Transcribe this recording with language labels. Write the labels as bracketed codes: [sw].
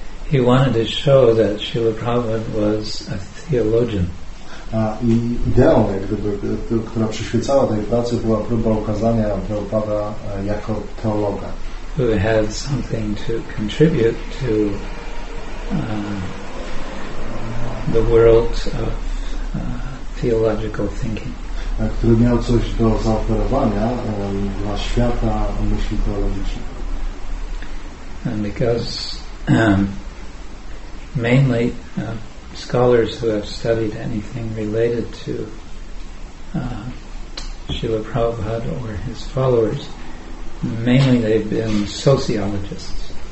[en] He wanted to show that Śrīla Prabhupāda was a theologian. [pl] I ideą, która przyświecała tej pracy, była próba ukazania Prabhupada jako teologa, [en] who had something to contribute to the world of theological thinking. [pl] Który miał coś do zaoferowania dla świata myśli teologicznej. [en] And because mainly scholars who have studied anything related to Śrīla Prabhupāda or his followers, mainly they've been sociologists.